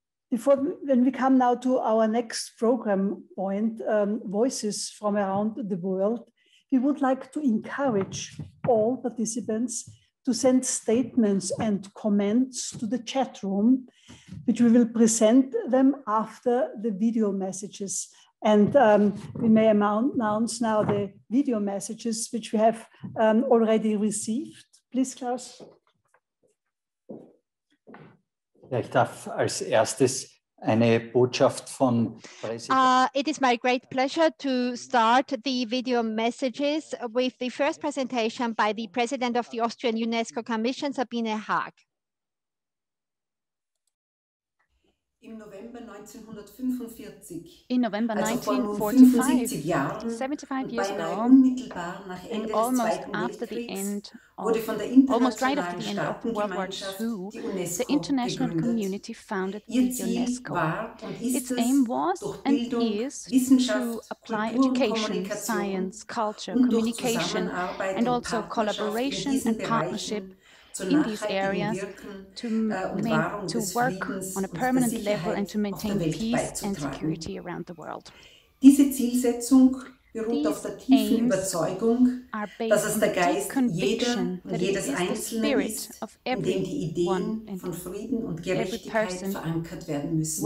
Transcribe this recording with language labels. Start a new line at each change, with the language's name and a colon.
English: Before, when we come now to our next program point, voices from around the world, we would like to encourage all participants to send statements and comments to the chat room, which we will present them after the video messages. And we may announce now the video messages which we have already received. Please, Klaus.
German: Ja, ich darf als erstes eine Botschaft von
English: It is my great pleasure to start the video messages with the first presentation by the President of the Austrian UNESCO Commission, Sabine Haag.
German: Im November 1945,
English: in November 1945, 75 years ago, almost right after the end of World War II, the international community founded the UNESCO. Its aim was and is to apply education, science, culture, communication, and also collaboration and partnership in these areas to work on a permanent level and to maintain peace and security around the world.
German: Diese Zielsetzung beruht auf der tiefen Überzeugung, dass es der Geist jeder und jedes Einzelnen ist, in dem die Ideen von Frieden und Gerechtigkeit verankert werden müssen.